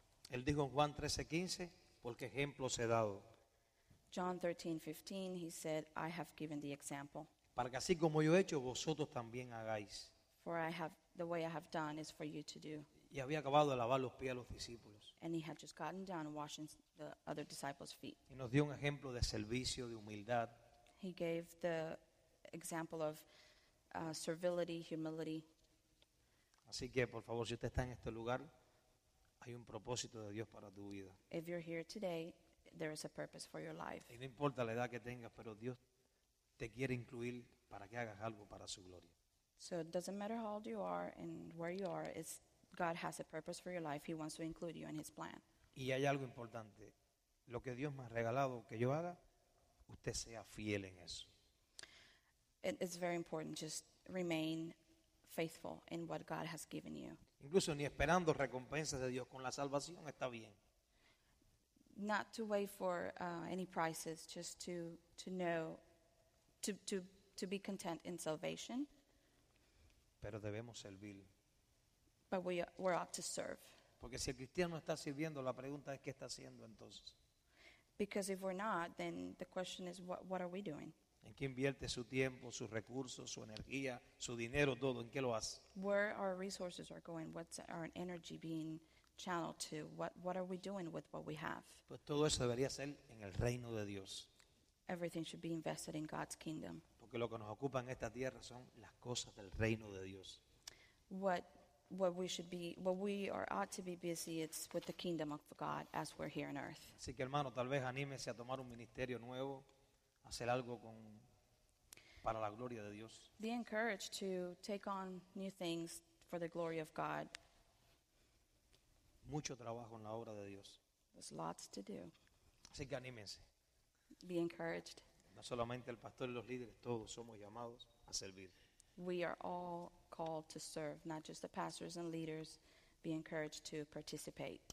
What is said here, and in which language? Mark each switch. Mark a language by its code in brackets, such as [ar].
[es] Él dijo en Juan 13:15, porque ejemplos he dado. [en] John 13:15, he said, I have given the example. [es] Para que así como yo he hecho, vosotros también hagáis. [en] For I have the way I have done is for you to do. [es] Y había acabado de lavar los pies a los discípulos. [en] And he had just gotten down washing the other disciples' feet. [es] Y nos dio un ejemplo de servicio, de humildad. [en] He gave the example of servility, humility. [es] Así que, por favor, si usted está en este lugar, hay un propósito de Dios para tu vida. [en] If you're here today, there is a purpose for your life. [es] Y no importa la edad que tengas, pero Dios te quiere incluir para que hagas algo para su gloria. [en] So it doesn't matter how old you are and where you are, it's God has a purpose for your life. He wants to include you in his plan. [es] Y hay algo importante. Lo que Dios me ha regalado que yo haga, usted sea fiel en eso. [en] It's very important. Just remain faithful in what God has given you. [es] Incluso ni esperando recompensas de Dios con la salvación está bien. [en] Not to wait for any prices, just to know, to be content in salvation. [es] Pero debemos servir. [en] But we're ought to serve. [es] Porque si el cristiano está sirviendo, la pregunta es qué está haciendo entonces. [en] Because if we're not, then the question is what are we doing? [es] ¿En qué invierte su tiempo, sus recursos, su energía, su dinero, todo? ¿En qué lo hace? [en] Where our resources are going? What's our energy being channeled to? What are we doing with what we have? [es] Pues todo eso debería ser en el reino de Dios. [en] Everything should be invested in God's kingdom. [es] Porque lo que nos ocupa en esta tierra son las cosas del reino de Dios. [en] What we ought to be busy, it's with the kingdom of God as we're here on earth. [es] Así que hermano, tal vez anímese a tomar un ministerio nuevo, hacer algo con para la gloria de Dios. [en] Be encouraged to take on new things for the glory of God. [es] Mucho trabajo en la obra de Dios. [en] There's lots to do. [es] Así que anímese. [en] Be encouraged. [es] No solamente el pastor y los líderes, todos somos llamados a servir. [en] We are all called to serve, not just the pastors and leaders. Be encouraged to participate.